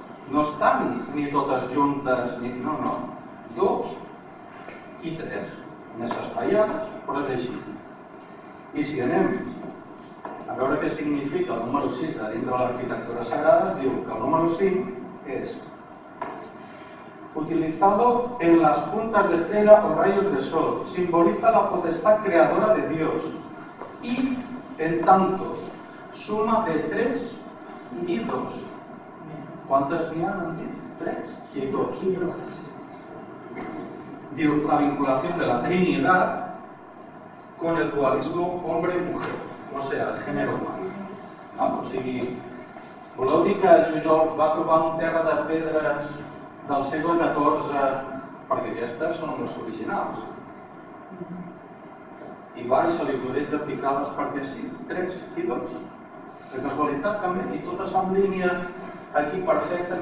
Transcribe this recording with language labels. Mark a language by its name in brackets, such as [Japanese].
[Catalan] No estan ni totes juntes, ni... No, no. Dos i tres. Més espaiades, però és així. I si anem a veure què significa el número 6 de dintre de l'arquitectura sagrada, diu que el número 5 és... [Spanish] Utilizado en las puntas de estrella o rayos de sol, simboliza la potestad creadora de Dios y, en tanto, suma de 3 y 2. ¿Cuántas [Catalan] n'hi ha? 3 [Spanish] y 2. [Catalan] Diu, [Spanish] la vinculación de la Trinidad con el dualismo hombre y mujer, o sea, el género humano. [Catalan] O sigui, voleu dir que Jujol va trobar un terra de pedres del segle XIV, perquè aquestes són les originals. I va i se li acudeix de picar-les perquè sí, 3 i 2. De casualitat també, i totes en línia aquí perfecta.